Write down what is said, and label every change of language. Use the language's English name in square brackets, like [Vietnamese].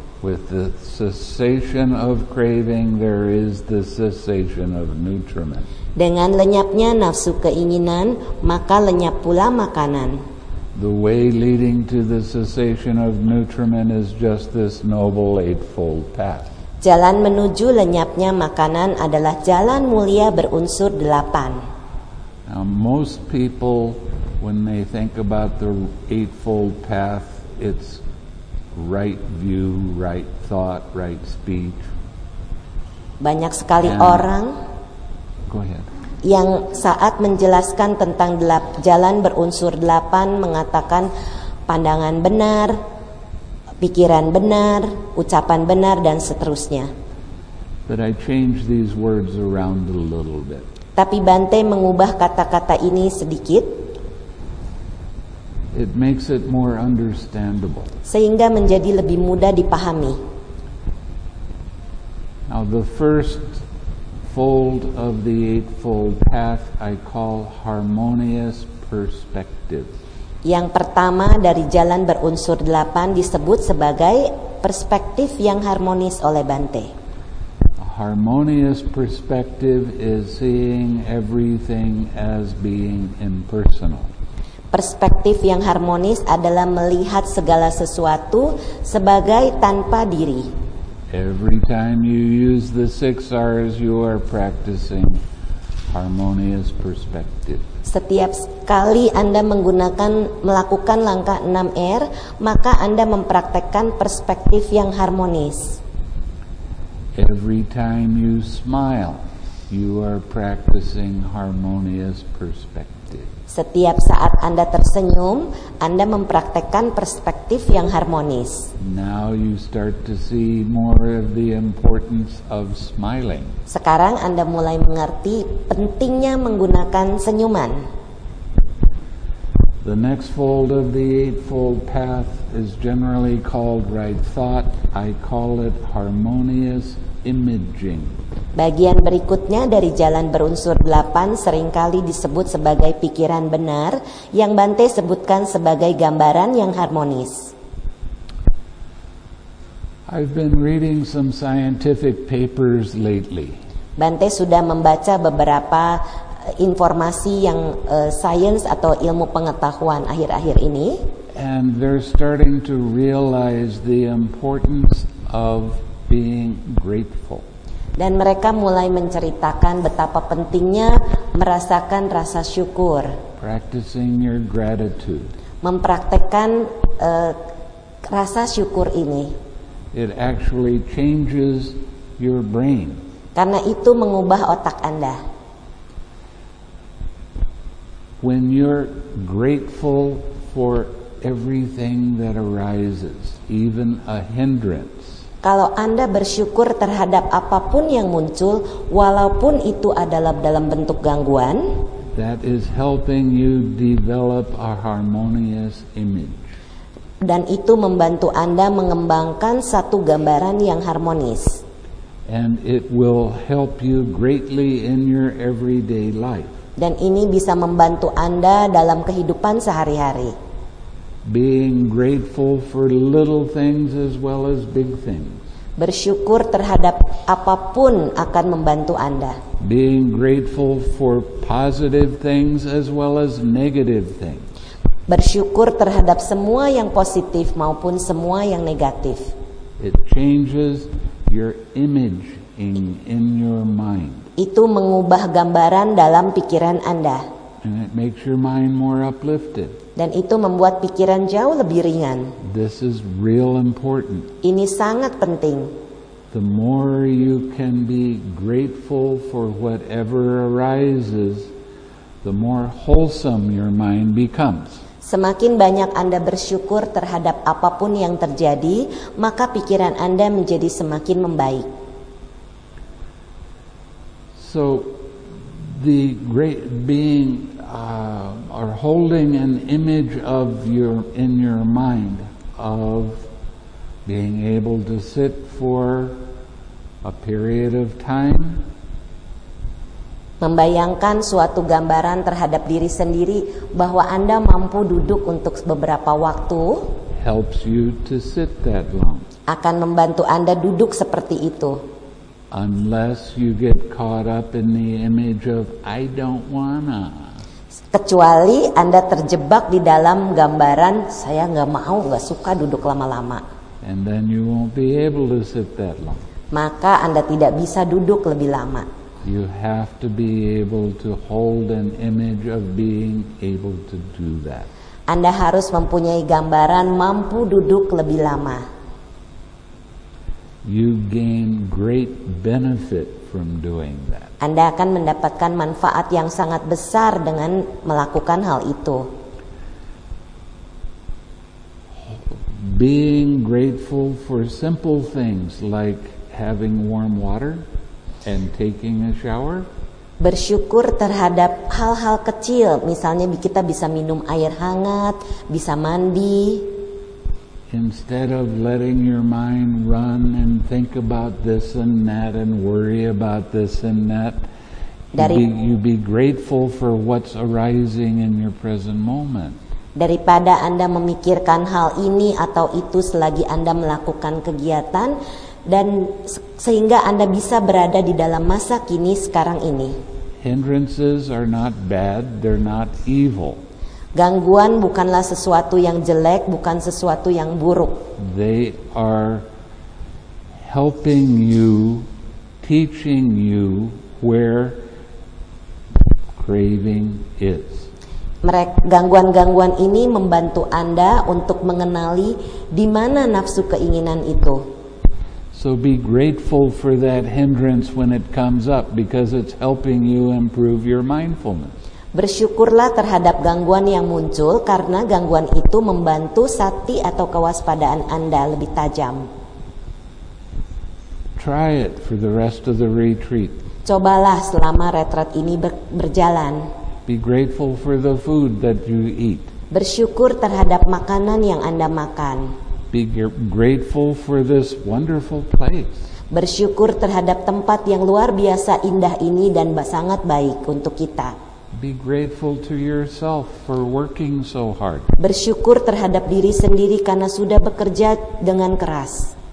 [English] With the cessation of craving, there is the cessation of nutriment. [Indonesian] Dengan lenyapnya nafsu keinginan, maka lenyap pula makanan. [English] The way leading to the cessation of nutriment is just this noble eightfold path. [Indonesian] Jalan menuju lenyapnya makanan adalah jalan mulia berunsur delapan. [English] Now, most people, when they think about the eightfold path, it's right view, right thought, right speech. [Indonesian] Banyak sekali orang yang saat menjelaskan tentang jalan berunsur delapan mengatakan pandangan benar, pikiran benar, ucapan benar, dan seterusnya. [English] But I change these words around a little bit. [Indonesian] Tapi Bante mengubah kata-kata ini sedikit. [English] It makes it more understandable. [Indonesian] Sehingga menjadi lebih mudah dipahami. [English] Now the first fold of the eightfold path I call harmonious perspective. [Indonesian] Yang pertama dari jalan berunsur delapan disebut sebagai perspektif yang harmonis oleh Bante. [English] A harmonious perspective is seeing everything as being impersonal. [Indonesian] Perspektif yang harmonis adalah melihat segala sesuatu sebagai tanpa diri. [English] Every time you use the six R's, you are practicing harmonious perspective. [Indonesian] Setiap kali Anda melakukan langkah 6R, maka Anda mempraktekkan perspektif yang harmonis. [English] Every time you smile, you are practicing harmonious perspective. [Indonesian] Setiap saat Anda tersenyum, Anda mempraktekkan perspektif yang harmonis. [English] Now you start to see more of the importance of smiling. [Indonesian] Sekarang Anda mulai mengerti pentingnya menggunakan senyuman. [English] The next fold of the eightfold path is generally called right thought. I call it harmonious imaging. [Indonesian] Bagian berikutnya dari jalan berunsur delapan seringkali disebut sebagai pikiran benar, yang Bante sebutkan sebagai gambaran yang harmonis. [English] I've been reading some scientific papers lately. [Indonesian] Bante sudah membaca beberapa informasi yang sains atau ilmu pengetahuan akhir-akhir ini. [English] And they're starting to realize the importance of being grateful. [Indonesian] Dan mereka mulai menceritakan betapa pentingnya merasakan rasa syukur. [English] Practicing your gratitude. [Indonesian] Mempraktekkan rasa syukur ini. [English] It actually changes your brain. [Indonesian] Karena itu mengubah otak Anda. [English] When you're grateful for everything that arises, even a hindrance. [Indonesian] Kalau Anda bersyukur terhadap apapun yang muncul, walaupun itu adalah dalam bentuk gangguan, [English] that is helping you develop a harmonious image. [Indonesian] Dan itu membantu Anda mengembangkan satu gambaran yang harmonis. [English] And it will help you greatly in your everyday life. [Indonesian] Dan ini bisa membantu Anda dalam kehidupan sehari-hari. [English] Being grateful for little things as well as big things. [Indonesian] Bersyukur terhadap apapun akan membantu Anda. [English] Being grateful for positive things as well as negative things. [Indonesian] Bersyukur terhadap semua yang positif maupun semua yang negatif. [English] It changes your image in your mind. [Indonesian] Itu mengubah gambaran dalam pikiran Anda. [English] And it makes your mind more uplifted. [Indonesian] Dan itu membuat pikiran jauh lebih ringan. [English] This is real important. [Indonesian] Ini sangat penting. [English] The more you can be grateful for whatever arises, the more wholesome your mind becomes. [Indonesian] Semakin banyak Anda bersyukur terhadap apapun yang terjadi, maka pikiran Anda menjadi semakin membaik. [English] So the being are holding an image of your in your mind of being able to sit for a period of time. [Indonesian] Membayangkan suatu gambaran terhadap diri sendiri bahwa Anda mampu duduk untuk beberapa waktu [English] helps you to sit that long. [Indonesian] Akan membantu Anda duduk seperti itu. [English] Unless you get caught up in the image of I don't wanna. [Indonesian] Kecuali Anda terjebak di dalam gambaran saya enggak mau, enggak suka duduk lama-lama. [English] And then you won't be able to sit that long. [Indonesian] Maka Anda tidak bisa duduk lebih lama. [English] You have to be able to hold an image of being able to do that. [Indonesian] Anda harus mempunyai gambaran mampu duduk lebih lama. [English] You gain great benefit from doing that. [Indonesian] Anda akan mendapatkan manfaat yang sangat besar dengan melakukan hal itu. [English] Being grateful for simple things like having warm water and taking a shower. [Indonesian] Bersyukur terhadap hal-hal kecil, misalnya kita bisa minum air hangat, bisa mandi. [English] Instead of letting your mind run and think about this and that and worry about this and that, you be grateful for what's arising in your present moment. [Indonesian] Daripada Anda memikirkan hal ini atau itu selagi Anda melakukan kegiatan, dan sehingga Anda bisa berada di dalam masa kini sekarang ini. [English] Hindrances are not bad, they're not evil. [Indonesian] Gangguan bukanlah sesuatu yang jelek, bukan sesuatu yang buruk. [English] They are helping you, teaching you where craving is. [Indonesian] Gangguan-gangguan ini membantu Anda untuk mengenali di mana nafsu keinginan itu. [English] So be grateful for that hindrance when it comes up because it's helping you improve your mindfulness. [Indonesian] Bersyukurlah terhadap gangguan yang muncul karena gangguan itu membantu sati atau kewaspadaan Anda lebih tajam. [English] Try it for the rest of the retreat. [Indonesian] Cobalah selama retret ini berjalan. [English] Be grateful for the food that you eat. [Indonesian] Bersyukur terhadap makanan yang Anda makan. [English] Be grateful for this wonderful place. [Indonesian] Bersyukur terhadap tempat yang luar biasa indah ini dan sangat baik untuk kita. [English] Be grateful to yourself for working so hard. [Indonesian] Bersyukur terhadap diri sendiri karena sudah bekerja dengan keras.